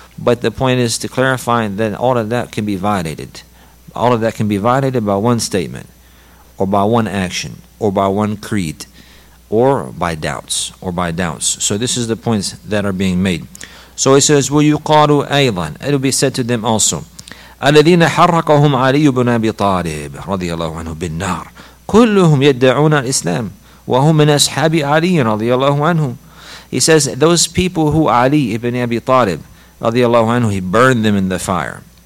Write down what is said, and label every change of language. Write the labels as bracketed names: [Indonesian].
[English] But the point is to clarify that all of that can be violated. All of that can be violated by one statement, or by one action, or by one creed, or by doubts, So this is the points that are being made. So it says, [Arabic] وَيُقَالُ أَيْضًا. [English] It will be said to them also, [Arabic] أَلَذِينَ حَرَّقَهُمْ عَلِيُّ بْنَ أَبِي طَالِبٍ رَضِيَ اللَّهُ عَنْهُ بِالنَّارِ كُلُّهُمْ يَدَّعُونَ الْإِسْلَامِ وَهُمْ مِنْ أَصْحَابِ عَلِيٍّ رَضِيَ اللَّهُ عَنْهُ. [English] He says, those people who Ali ibn Abi Talib [Arabic] رَضِيَ اللَّهُ عَنْهُ, [English] he burned them in the fire.